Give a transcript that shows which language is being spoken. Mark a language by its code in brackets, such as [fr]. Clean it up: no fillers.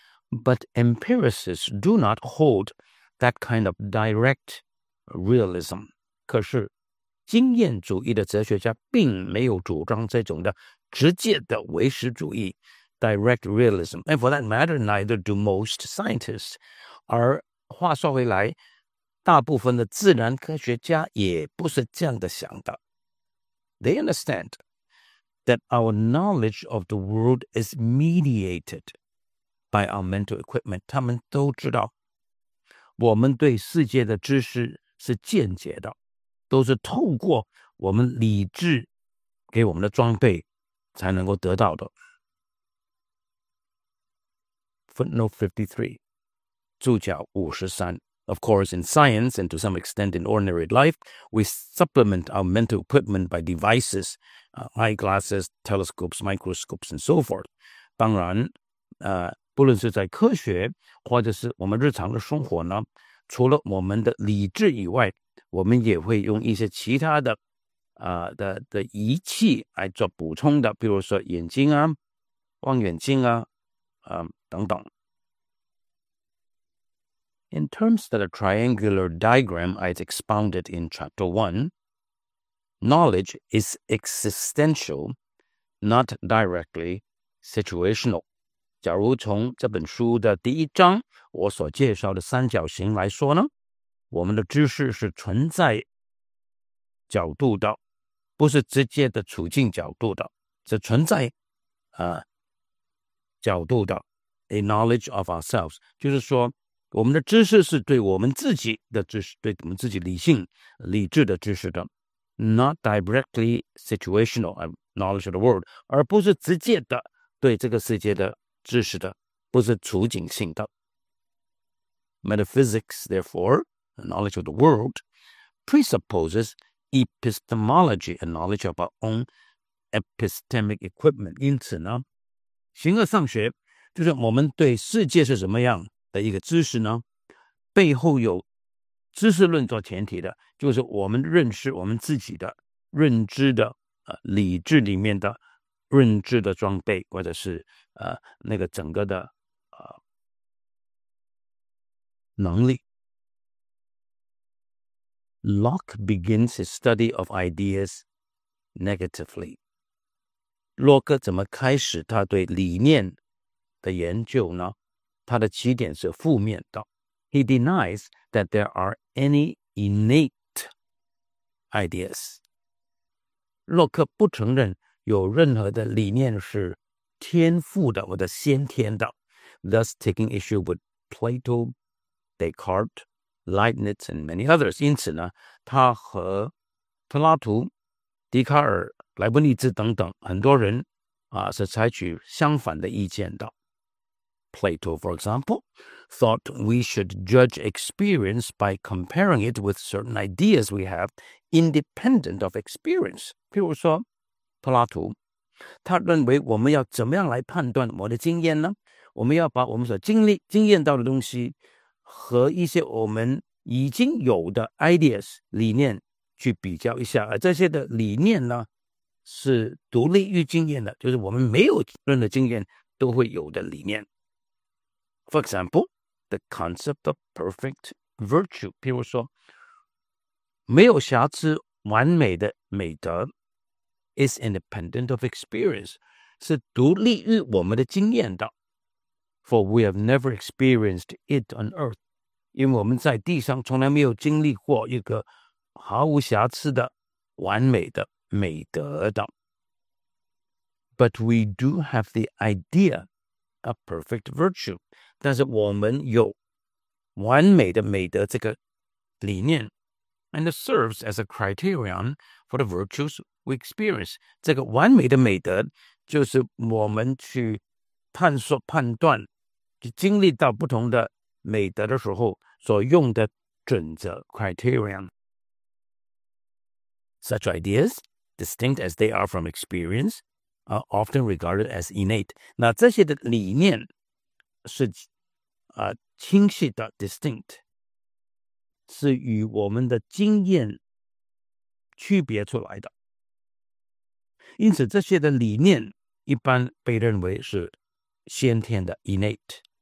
[en] But empiricists do not hold that kind of direct realism. [zh] 可是经验主义的哲学家并没有主张这种的直接的唯实主义 direct realism. [en] And for that matter, neither do most scientists. [zh] 而话说回来，大部分的自然科学家也不是这样的想的。 [en] They understand that our knowledge of the world is mediated by our mental equipment. [zh] 他们都知道，我们对世界的知识是间接的，都是透过我们理智给我们的装备才能够得到的。 [en] Footnote 53, [zh] 注脚53。 [en] Of course, in science and to some extent in ordinary life, we supplement our mental equipment by devices, eyeglasses, telescopes, microscopes, and so forth. [zh] 当然，不论是在科学或者是我们日常的生活呢，除了我们的理智以外，我们也会用一些其他的的仪器来做补充的，比如说眼睛啊、望远镜啊，等等。 [en] In terms that a triangular diagram I'd expounded in Chapter 1, knowledge is existential, not directly situational. [zh] 假如从这本书的第一章我所介绍的三角形来说呢，我们的知识是存在角度的，不是直接的处境角度的，是存在角度的 [en] a knowledge of ourselves. [zh] 就是说我们的知识是对我们自己的知识，对我们自己理性理智的知识的， [en] not directly situational knowledge of the world, [zh] 而不是直接的对这个世界的知识的，不是处境性的。 [en] Metaphysics, therefore, knowledge of the world presupposes epistemology, a knowledge of our own epistemic equipment. [zh] 因此呢，形而上学就是我们对世界是怎么样的一个知识呢，背后有知识论做前提的，就是我们认识我们自己的认知的理智里面的认知的装备，或者是那个整个的能力。 [en] Locke begins his study of ideas negatively. [zh] 洛克怎么开始他对理念的研究呢？他的起点是负面的。 [en] He denies that there are any innate ideas. [zh] 洛克不承认有任何的理念是天赋的或者先天的。 [en] Thus taking issue with Plato, Descartes, Leibniz, and many others. [zh] 因此呢，他和柏拉图、笛卡尔、莱布尼兹等等很多人是采取相反的意见的。 [en] Plato, for example, thought we should judge experience by comparing it with certain ideas we have independent of experience. [zh] 譬如说柏拉图，他认为我们要怎么样来判断我的经验呢？我们要把我们所经验到的东西和一些我们已经有的 ideas 理念去比较一下，而这些的理念呢是独立于经验的，就是我们没有任何经验都会有的理念。 [en] For example, the concept of perfect virtue. [zh] 譬如说，没有瑕疵完美的美德 [en] is independent of experience, [zh] 是独立于我们的经验的。 [en] For we have never experienced it on earth. [zh] 因为我们在地上从来没有经历过一个毫无瑕疵的完美的美德的。 [en] But we do have the idea of perfect virtue. [zh] 但是我们有完美的美德这个理念 [en] and it serves as a criterion for the virtues we experience. [zh] 这个完美的美德就是我们去探索判断去经历到不同的美德的时候所用的准则 [en] criterion. Such ideas, distinct as they are from experience, are often regarded as innate. [zh] 那这些的理念是清晰的 distinct 是与我们的经验区别出来的，因此这些的理念一般被认为是先天的 innate。